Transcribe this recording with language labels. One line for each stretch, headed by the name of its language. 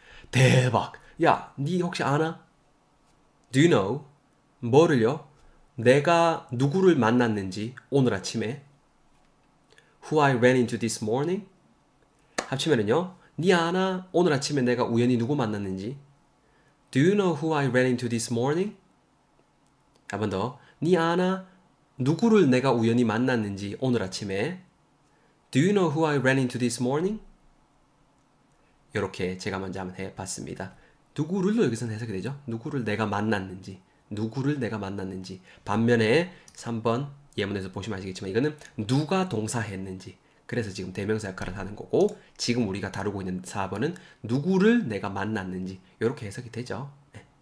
Korean: 대박! 야, 니 혹시 아나?
English: Do you know?
Korean: 뭐를요? 내가 누구를 만났는지 오늘 아침에.
English: Who I ran into this morning?
Korean: 합치면은요. 니 아나? 오늘 아침에 내가 우연히 누구 만났는지.
English: Do you know who I ran into this morning?
Korean: 한번 더. 니 아나? 누구를 내가 우연히 만났는지 오늘 아침에.
English: Do you know who I ran into this morning?
Korean: 이렇게 제가 먼저 한번 해봤습니다. 누구를도 여기서는 해석이 되죠? 누구를 내가 만났는지, 누구를 내가 만났는지. 반면에 3번 예문에서 보시면 아시겠지만 이거는 누가 동사했는지. 그래서 지금 대명사 역할을 하는 거고 지금 우리가 다루고 있는 4번은 누구를 내가 만났는지 이렇게 해석이 되죠. 네.